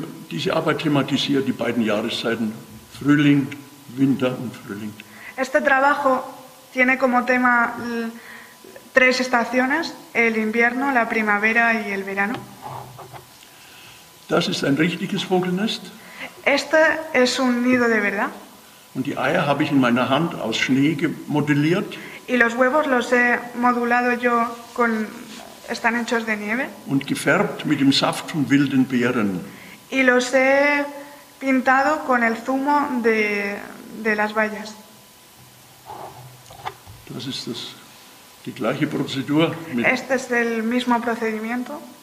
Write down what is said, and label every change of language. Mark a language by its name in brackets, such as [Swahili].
[German] Diese Arbeit thematisiert die beiden Jahreszeiten, Frühling, Winter und Frühling. [Spanish] Este trabajo tiene como tema tres estaciones, el invierno, la primavera y el verano. [German] Das ist ein richtiges Vogelnest. [Spanish] Este es un nido de verdad. [German] Und die Eier habe ich in meiner Hand aus Schnee modelliert. [Spanish] Y los huevos los he modulado yo con... Están hechos de nieve. [German] Und gefärbt mit dem Saft von wilden Beeren. [Spanish] Y los he pintado con el zumo de las bayas. [German] Das ist das, die gleiche Prozedur. [Spanish] Mit este es el mismo procedimiento.